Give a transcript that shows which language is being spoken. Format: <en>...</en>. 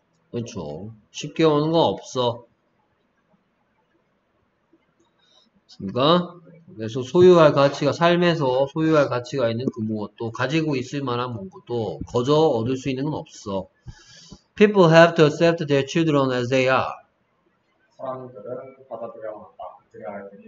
<ko>그렇죠. 쉽게 오는 거 없어. 그니까 그래서 소유할 가치가, 삶에서 소유할 가치가 있는 그 무엇도, 가지고 있을 만한 무엇도, 거저 얻을 수 있는 건 없어.</ko> <en>People have to accept their children as they are.</en> <ko>사람들은 받아들여야 한다.</ko>